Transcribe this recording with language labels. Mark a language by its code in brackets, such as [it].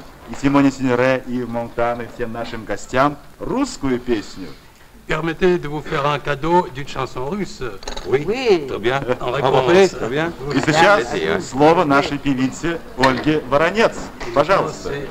[ru] И Симона Синьоре, и Монтан, и всем нашим гостям русскую песню. [fr] Permettez de vous faire un cadeau d'une chanson russe. Oui. Oui. Très bien. En réponse. Très bien. [ru] И сейчас слово нашей певице Ольге Воронец. Пожалуйста.